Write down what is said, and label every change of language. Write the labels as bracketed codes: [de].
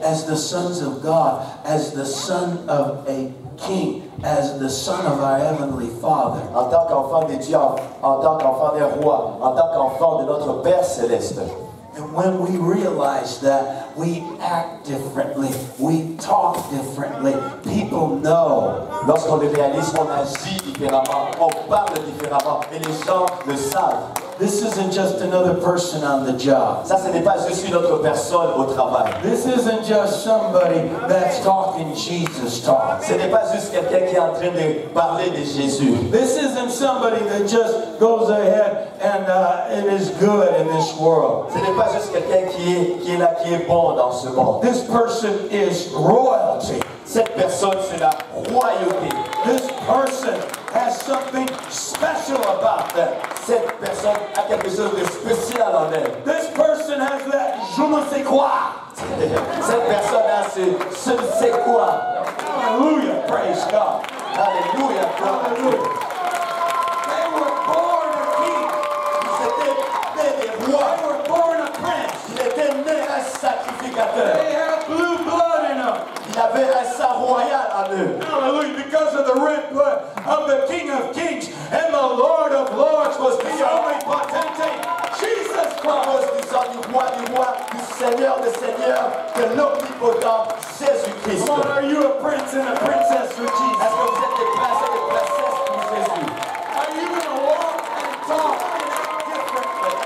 [en] As the sons of God, as the son of a king, as the son of our heavenly Father. [fr] En tant qu'enfant de Dieu, en tant qu'enfant des rois, en tant qu'enfant de notre Père céleste. [en] And when we realize that, we act differently, we talk differently. People know. [fr] Lorsqu'on le réalise, on agit différemment, on parle différemment, et les gens le savent. [en] This isn't just another person on the job. [fr] Ça, ce n'est pas juste une autre personne au travail. [en] This isn't just somebody that's talking Jesus talk. [fr] Ce n'est pas juste quelqu'un qui est en train de parler de Jésus. [en] This isn't somebody that just goes ahead and is good in this world. [fr] Ce n'est pas juste quelqu'un qui est là, qui est bon dans ce monde. [en] This person is royalty. [fr] Cette personne, c'est la royauté. [en] This person has something special about them. [fr] Cette personne a quelque chose de spécial en elle. [en] This person has that je ne sais quoi. [fr] Cette personne a ce je ne sais quoi. [en] Hallelujah, praise God. Hallelujah, God. Hallelujah. They were born a king. [fr] Ils étaient nés des rois. [en] They were born a prince. [fr] Ils étaient nés un sacrificateur. [en] They had blue blood in them. [fr] Il avait un sang royal en eux. [en] Hallelujah, because of the red blood of the King of Kings and the Lord of Lords was the only potentate, Jesus Christ. [fr] Nous disons du roi, du Seigneur, le Seigneur, de l'omnipotent Jésus Christ. [en] Come on, are you a prince and a princess for Jesus? [fr] Est-ce que vous êtes des princes et des princesses pour Jésus? [en] Are you going to walk and talk and act differently?